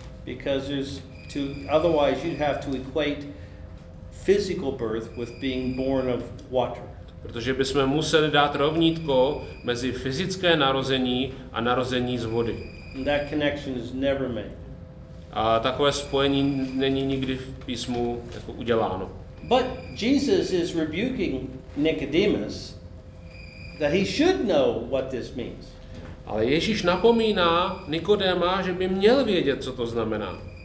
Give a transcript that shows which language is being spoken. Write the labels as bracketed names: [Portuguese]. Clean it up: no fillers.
[English] Because there's to otherwise you'd have to equate physical birth with being born of water. [Czech] Protože bychom museli dát rovnítko mezi fyzické narození a narození z vody. [English] That connection is never made. [Czech] A takové spojení není nikdy v písmu jako uděláno. [English] But Jesus is rebuking Nicodemus that he should know what this means. [Czech] Ale Ježíš napomíná Nikodéma, že by měl vědět, co to znamená.